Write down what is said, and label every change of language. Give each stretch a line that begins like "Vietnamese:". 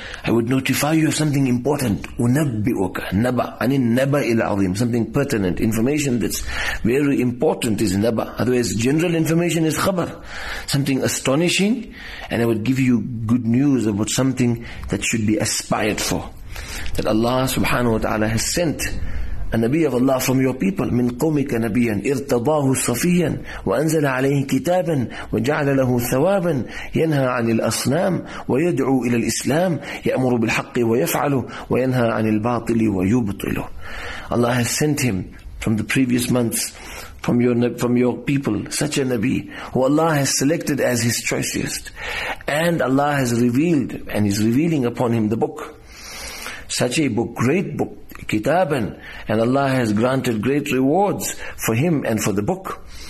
English: I would notify you of something important.
Arabic: أُنَبِّئُكَ نَبَى, أَنِ النَّبَى الْعَظِيمِ,
English: something pertinent, information that's very important is نَبَى. Otherwise, general information is خَبَر, something astonishing, and I would give you good news about something that should be aspired for. That Allah subhanahu wa ta'ala has sent a Nabi of Allah from your people,
Arabic: من قومك نبيا ارتضاه صفيا وأنزل عليه كتابا وجعل له ثوابا ينهى عن الأصنام ويدعو إلى الإسلام يأمر بالحق ويفعله وينهى عن الباطل ويبطله.
English: Allah has sent him from the previous months, from your people, such a Nabi who Allah has selected as his choicest, and Allah has revealed and is revealing upon him the book, such a book, great book, كِتَابًا, and Allah has granted great rewards for him and for the book.